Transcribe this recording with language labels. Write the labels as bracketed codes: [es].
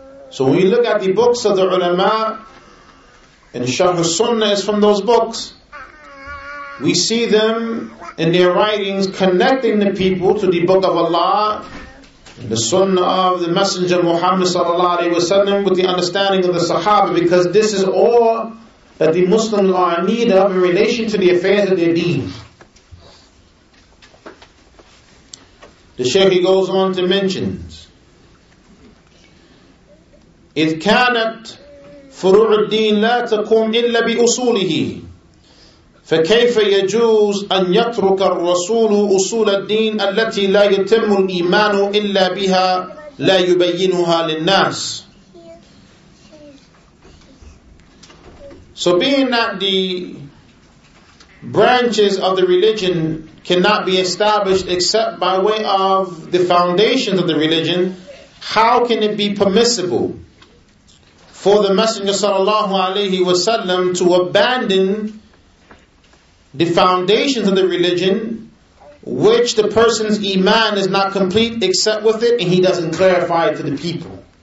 [en] So when you look at the books of the ulama, and Sharh Sunnah is from those books, we see them in their writings connecting the people to the Book of Allah, and the Sunnah of the Messenger Muhammad sallallahu alaihi wasallam, with the understanding of the Sahaba, because this is all that the Muslims are in need of in relation to the affairs of their deen. The Shaykh, he goes on to mention, [ar] إِذْ كَانَتْ فُرُوعُ الدِّينِ لَا تَقُمْ إِلَّا بِأُصُولِهِ فَكَيْفَ يَجُوزُ أَنْ يَتْرُكَ الرَّسُولُ أُصُولَ الدِّينِ الَّتِي لَا يَتِمُّ الْإِيمَانُ إِلَّا بِهَا لَا يُبَيِّنُهَا لِلنَّاسِ. [en] So being that the branches of the religion cannot be established except by way of the foundations of the religion, how can it be permissible for the Messenger sallallahu alaihi wasallam to abandon the foundations of the religion, which the person's iman is not complete except with it, and he doesn't clarify it to the people?